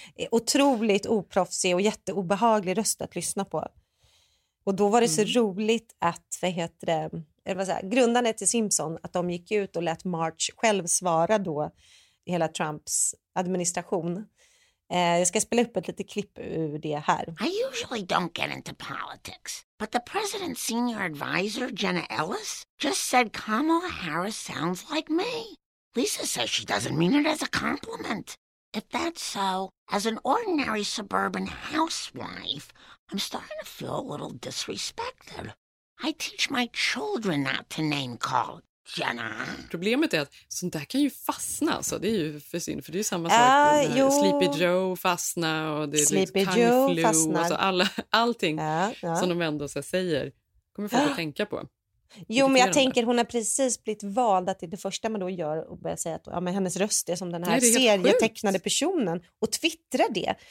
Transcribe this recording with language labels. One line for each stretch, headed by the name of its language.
Swedish: Otroligt oproffsig och jätteobehaglig röst att lyssna på. Och då var det så roligt att, vad heter det, eller vad säger, grundarna till Simpson, att de gick ut och lät Marge själv svara då hela Trumps administration. Jag ska spela upp ett litet klipp ur det här.
English: I usually don't get into politics, but the president's senior advisor, Jenna Ellis, just said Kamala Harris sounds like me. Lisa says she doesn't mean it as a compliment. If that's so, as an ordinary suburban housewife, I'm starting to feel a little disrespected. I teach my children not to name call. Jenna.
Swedish: Problemet är att sånt där kan ju fastna, så det är ju för synd, för det är ju samma sak med Sleepy Joe fastna och det är Sleepy Joe fastnar. Och så alla, allting som de ändå så säger kommer folk att tänka på. Jo, men jag tänker, hon har precis blivit vald, att det är det första man då gör och börjar säga att men hennes röst är som den här serietecknade personen och twittrar det.